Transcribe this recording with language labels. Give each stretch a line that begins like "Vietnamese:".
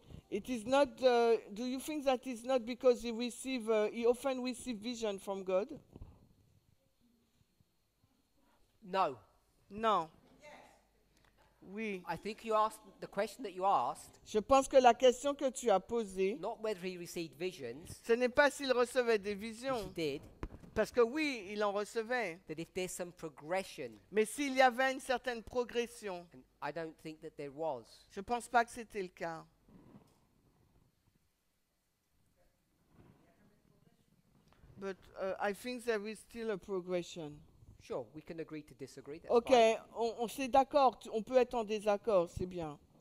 English: It is not. Do you think that is not because he often receive vision from God? No. No.
French: Oui.
English: I think you asked the question that you asked.
French: Je pense que la question que tu as posée.
English: Not whether he received visions.
French: Ce n'est pas s'il recevait des visions.
English: He did.
French: Parce que oui, il en recevait.
English: That if there's some progression.
French: Mais s'il y avait une certaine progression.
English: And I don't think that there was.
French: Je pense pas que c'était le cas.
English: But I think there is still a progression. Sure, we can agree to disagree.
French: Okay, on s'est d'accord, on peut être en désaccord, c'est bien.